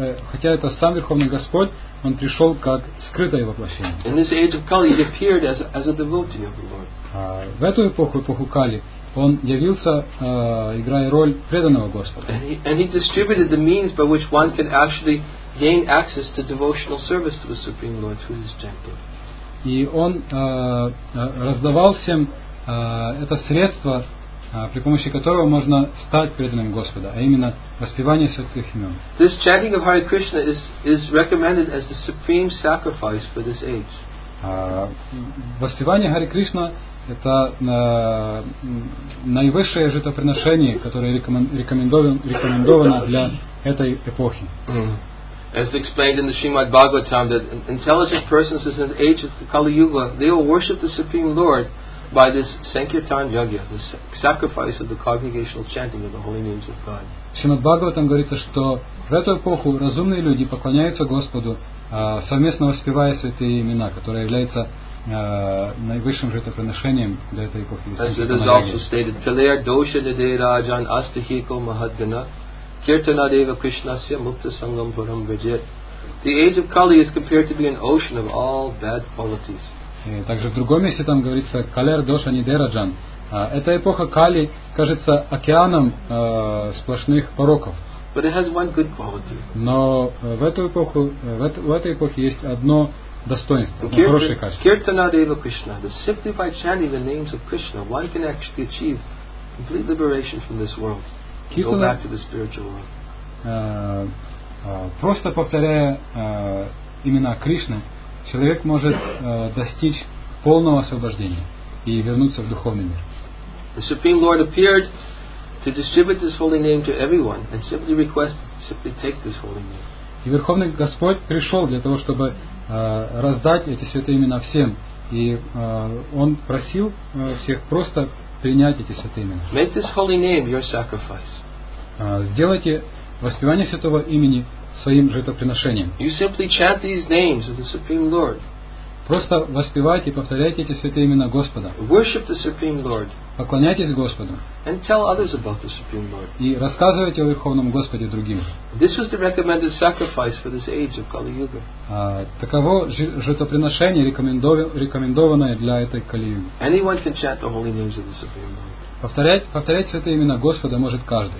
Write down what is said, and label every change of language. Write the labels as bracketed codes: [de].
[ru] Хотя это сам Верховный Господь, он пришел как скрытое воплощение. [en] In this age of Kali, he appeared as a devotee of the Lord. [ru] В эту эпоху Кали, он явился, играя роль преданного Господа. [en] And he distributed the means by which one can actually gain access to devotional service to the Supreme Lord through his chanting. [ru] И он раздавал всем это средство, при помощи которого можно стать преданным Господа, а именно воспевание святых имен. [en] This chanting of Hare Krishna is recommended as the supreme sacrifice for this age. [ru] Воспевание Харе Кришна — это наивысшее жертвоприношение, которое рекомендовано для этой эпохи. [en] As explained in the Srimad Bhagavatam, that intelligent persons in the age of Kali Yuga, they will worship the Supreme Lord by this Sankirtan Yajna, the sacrifice of the congregational chanting of the holy names of God. [ru] Srimad Bhagavatam говорится, что в эту эпоху разумные люди поклоняются Господу, совместно воспевая святые имена, которые являются наивысшим жертвоприношением для этой эпохи. [sa] As it is also stated, Pilaya Dosha Nade Rajan Astahiko Mahadgana Kirtana Deva Krishnasya Mukta Sangam Puram Vijit. [en] The age of Kali is compared to be an ocean of all bad qualities. [ru] Также в другом месте там говорится [sa] Калер Доша Нидераджан. [ru] Эта эпоха Кали кажется океаном сплошных пороков. [en] But it has one good quality. [ru] Но в этой эпохе есть одно достоинство, одно хорошее качество. [sa] Kirtana Deva Krishna. [en] That simply by chanting the names of Krishna, one can actually achieve complete liberation from this world. Go back to the spiritual world. [ru] Просто повторяя имена Кришны, человек может достичь полного освобождения и вернуться в духовный мир. [en] The Supreme Lord appeared to distribute this holy name to everyone and simply request, simply take this holy name. [ru] И Верховный Господь пришел для того, чтобы раздать эти святые имена всем. И Он просил всех просто принять эти святые имена. [en] Make this holy name your sacrifice. [ru] Сделайте воспевание святого имени своим жертвоприношением. [en] You simply chant these names of the Supreme Lord. [ru] Просто воспевайте и повторяйте эти святые имена Господа. [en] Worship the Supreme Lord. [ru] Поклоняйтесь Господу. [en] And tell others about the Supreme Lord. [ru] И рассказывайте о Верховном Господе другим. [en] This was the recommended sacrifice for this age of Kali Yuga. [ru] Таково жертвоприношение, рекомендованное для этой Кали-Юги. [en] Anyone can chant the holy names of the Supreme Lord. [ru] Повторять святые имена Господа может каждый.